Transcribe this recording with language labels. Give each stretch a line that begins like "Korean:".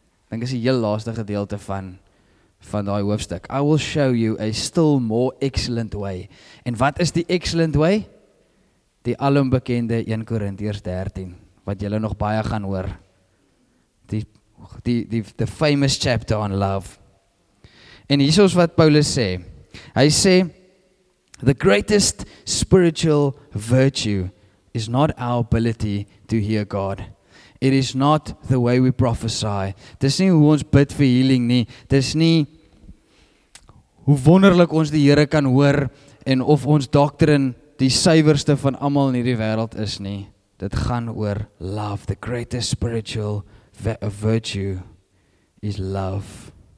Afrikaans: Dink is die heel laaste gedeelte van die hoofstuk.
English: I will show you a still more excellent way.
Afrikaans: En wat is die
English: excellent way?
Afrikaans: Die alombekende 1 Korintiërs 13, wat julle nog baie gaan hoor.
English: The famous chapter on love.
Afrikaans: En hier is wat Paulus sê.
English: Hy sê, the greatest spiritual virtue is not our ability to hear God. It is not the way we prophesy.
Afrikaans: Dis nie hoe ons bid vir healing nie. Dis nie hoe wonderlik ons die Here kan hoor en of ons doctrine die suiwerste van allemaal in hierdie wêreld is nie. Dit gaan oor love.
English: The greatest spiritual virtue is love.